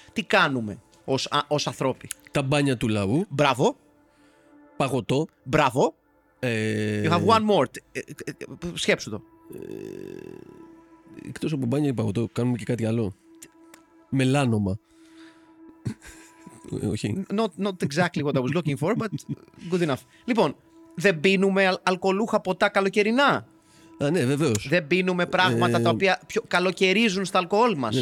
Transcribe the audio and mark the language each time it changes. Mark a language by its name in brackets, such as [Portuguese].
[Greek] Τι κάνουμε ως ανθρώποι? Τα μπάνια του λαού. Μπράβο. Παγωτό. Μπράβο. [English] You have one more. [Greek] Σκέψου το. Εκτός από μπάνια και παγωτό, κάνουμε και κάτι άλλο. Μελάνωμα. Όχι. [English] Not exactly what I was looking for, but good enough. [Greek] Λοιπόν, δεν πίνουμε αλκοολούχα ποτά καλοκαιρινά. Α, ναι, βεβαίως. Δεν πίνουμε πράγματα τα οποία καλοκαιρίζουν στα αλκοόλ μας.